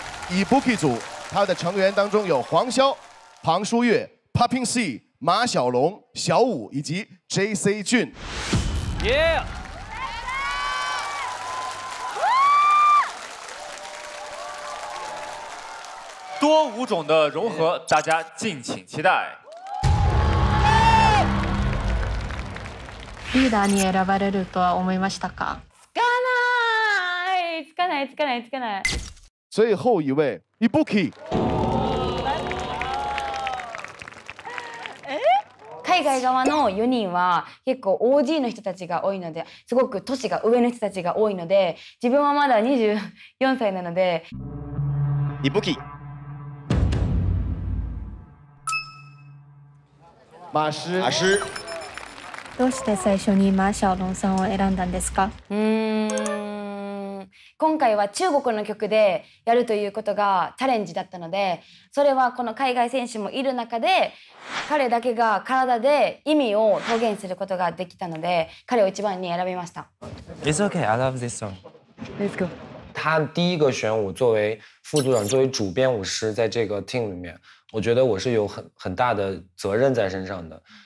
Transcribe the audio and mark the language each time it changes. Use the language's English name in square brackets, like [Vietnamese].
[Chinese] 以 Buki 组，他的成员当中有黄潇、庞书月、Popping C、马小龙、小武以及 JC 俊。耶、yeah. 多舞种的融合，大家敬请期待。 [Japanese] リーダーに選ばれるとは思いましたか？つかない、つかない、つかない、つかない。 [Chinese] 最后一位 ，Ibuki。 [Japanese] 海外側の4人は結構 OG の人たちが多いので、すごく年が上の人たちが多いので、自分はまだ24歳なので。 Ibuki。 [Chinese] 马师，马师， [Japanese] どうして最初に马小龙さんを選んだんですか？今回は中国の曲でやるということがチャレンジだったので、それはこの海外選手もいる中で、彼だけが体で意味を表現することができたので、彼を一番に選びました。 [English] It's okay, I love this song. Let's go. [Chinese] 他第一个选舞作为副组长，作为主编舞师，在这个 team 里面，我觉得我是有很大的责任在身上的。